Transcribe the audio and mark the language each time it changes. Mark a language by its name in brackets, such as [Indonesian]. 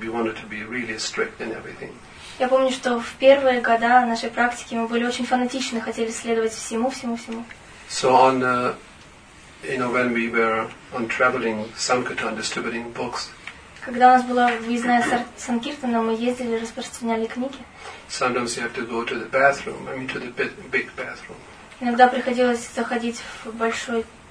[English] We wanted to be really strict in everything. [Russian] Я помню, что в первые года нашей практики мы были очень фанатичны, хотели следовать всему. [English] So on, you know, when we were on traveling Sankirtan, distributing books. [Russian] Когда у нас была выездная Санкиртана, мы ездили, распространяли книги. [English] Sometimes you have to go to the bathroom. I mean, to the big bathroom. [Russian] Иногда приходилось заходить в большой.